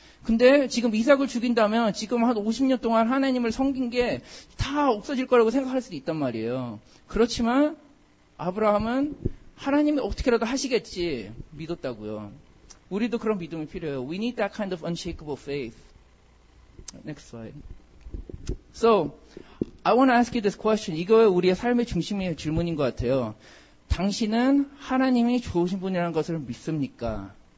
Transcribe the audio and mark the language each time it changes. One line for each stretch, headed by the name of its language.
Korean: 근데 지금 이삭을 죽인다면 지금 한 50년 동안 하나님을 섬긴 게 다 없어질 거라고 생각할 수도 있단 말이에요. 그렇지만 아브라함은 하나님이 어떻게라도 하시겠지 믿었다고요. 우리도 그런 믿음이 필요해요.
English: We need that kind of unshakable faith. Next slide. So, I want to ask you this question.
Korean: 이거 우리의 삶의 중심의 질문인 것 같아요. 당신은 하나님이 좋으신 분이라는 것을 믿습니까?